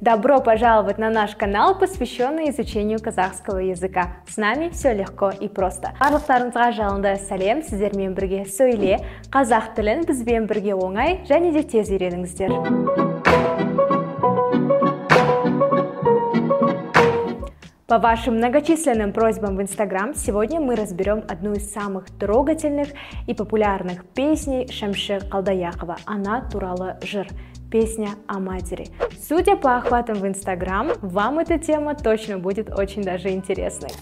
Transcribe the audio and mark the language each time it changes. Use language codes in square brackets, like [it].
[ru] Добро пожаловать на наш канал, посвященный изучению казахского языка. С нами все легко и просто. [kk] Барлықтарыңызға жалынды сәлем, сіздермен бірге сөйле. Қазақ тілін бізбен бірге оңай, және де тез үйреніңіздер. [ru] По вашим многочисленным просьбам в Instagram сегодня мы разберем одну из самых трогательных и популярных песней Шамшир Қалдаяқова. [kk] Она туралы жыр. [ru] Песня о матери. Судя по охватам в Instagram, вам эта тема точно будет очень даже интересной.